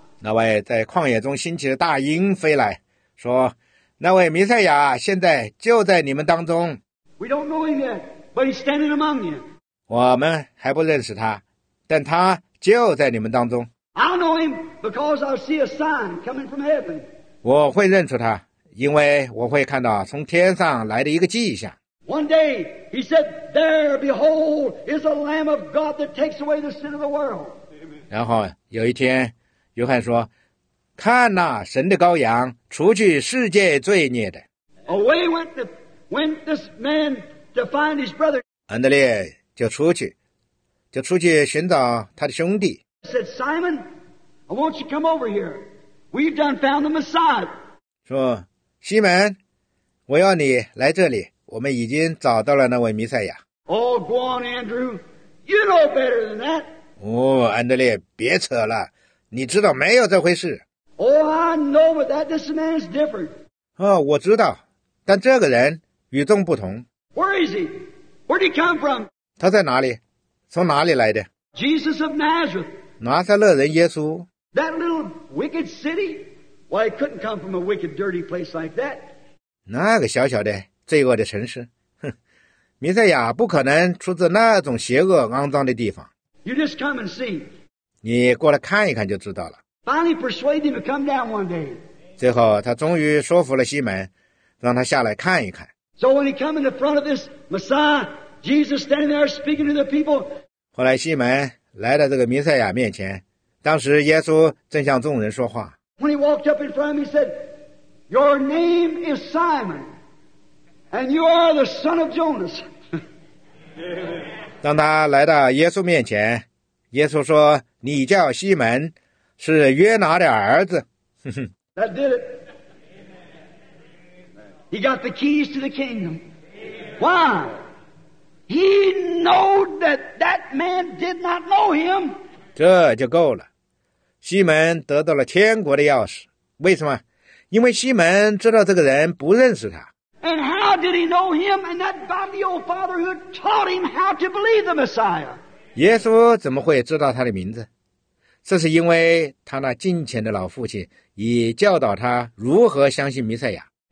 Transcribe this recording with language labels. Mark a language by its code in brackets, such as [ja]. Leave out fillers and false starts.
[zh] 那位在旷野中兴起的大鹰飞来说，那位弥赛亚现在就在你们当中。 [en] We don't know him yet, but he's standing among you. [zh] 我们还不认识他，但他就在你们当中。 [en] I know him because I'll see a sign coming from heaven. [zh] 我会认出他，因为我会看到从天上来的一个迹象。 [en] One day, he said, "There, behold, is a Lamb of God that takes away the sin of the world." [zh] 然后有一天，约翰说，看哪，神的羔羊，除去世界罪孽的。 [en] Away went the When this man to find his brother, [zh] 安德烈就出去寻找他的兄弟。 [en] Said Simon, "I want you to come over here. We've done found the Messiah." [zh] 说西门，我要你来这里，我们已经找到了那位弥赛亚。 [en] Oh, go on, Andrew. You know better than that. [zh] 哦，安德烈，别扯了，你知道没有这回事。 [en] Oh, I know, but that this man is different. [zh] 哦，我知道，但这个人。与众不同。 [en] Where is he? Where did he come from? [zh] 他在哪里？从哪里来的？ [en] Jesus of Nazareth. [zh] 拿撒勒人耶稣。 [en] That little wicked city? Why, it couldn't come from a wicked, dirty place like that. [zh] 那个小小的罪恶的城市，哼，弥赛亚不可能出自那种邪恶肮脏的地方。 [en] You just come and see. [zh] 你过来看一看就知道了。 [en] Finally persuaded him to come down one day. [zh] 最后他终于说服了西门，让他下来看一看。 [en] So when he came in the front of this Messiah, Jesus standing there speaking to the people. [zh] 后来西门来到这个弥赛亚面前，当时耶稣正向众人说话。 [en] When he walked up in front of him, he said, "Your name is Simon, and you are the son of Jonas." [zh] 当他来到耶稣面前，耶稣说，你叫西门，是约拿的儿子。 [en] That did it. He got the keys to the kingdom. Why? He knew that that man did not know him. [zh] 这就够了。西门得到了天国的钥匙。为什么？因为西门知道这个人不认识他。 [en] And how did he know him? And that God, the old Father, who taught him how to believe the Messiah. [zh] 耶稣怎么会知道他的名字？这是因为他那近前的老父亲已教导他如何相信弥赛亚。